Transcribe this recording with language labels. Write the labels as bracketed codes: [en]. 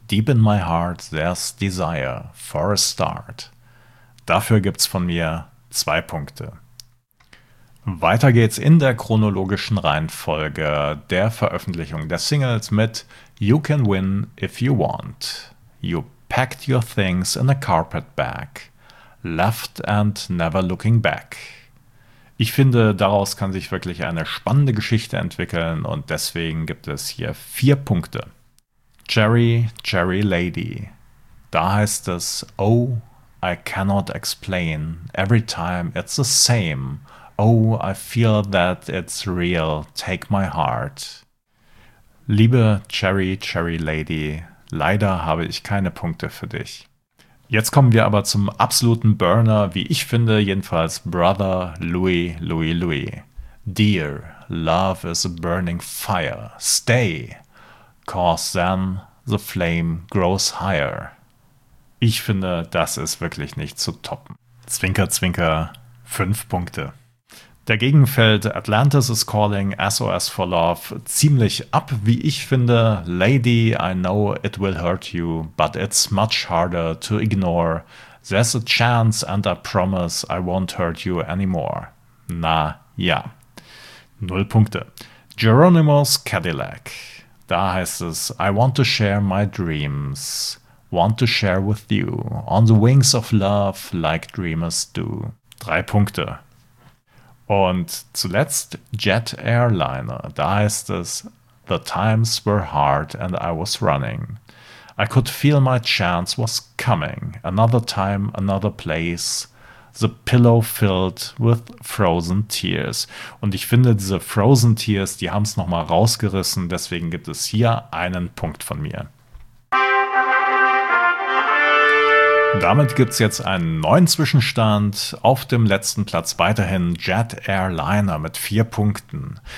[en] Deep in my heart, there's desire for a start. [de] Dafür gibt's von mir 2 Punkte. Weiter geht's in der chronologischen Reihenfolge der Veröffentlichung der Singles mit You Can Win If You Want, You Packed Your Things in a Carpet Bag, Left and Never Looking Back. Ich finde, daraus kann sich wirklich eine spannende Geschichte entwickeln und deswegen gibt es hier 4 Punkte. [en] Cherry, Cherry Lady. [de] Da heißt es: [en] Oh, I cannot explain, every time it's the same. Oh, I feel that it's real, take my heart. [de] Liebe Cherry, Cherry Lady, leider habe ich keine Punkte für dich. Jetzt kommen wir aber zum absoluten Burner, wie ich finde, jedenfalls Brother Louie, Louie, Louie. [en] Dear, love is a burning fire, stay, cause then the flame grows higher. [de] Ich finde, das ist wirklich nicht zu toppen. Zwinker, zwinker, 5 Punkte. Dagegen fällt Atlantis is Calling, SOS for Love ziemlich ab, wie ich finde. [en] Lady, I know it will hurt you, but it's much harder to ignore. There's a chance and I promise I won't hurt you anymore. [de] Na ja, 0 Punkte. Geronimo's Cadillac. Da heißt es, [en] I want to share my dreams. Want to share with you. On the wings of love, like dreamers do. [de] 3 Punkte. Und zuletzt Jet Airliner. Da heißt es, [en] the times were hard and I was running. I could feel my chance was coming. Another time, another place. The pillow filled with frozen tears. [de] Und ich finde, diese [en] frozen tears, [de] die haben es nochmal rausgerissen. Deswegen gibt es hier einen Punkt von mir. Damit gibt es jetzt einen neuen Zwischenstand. Auf dem letzten Platz weiterhin Jet Airliner mit 4 Punkten.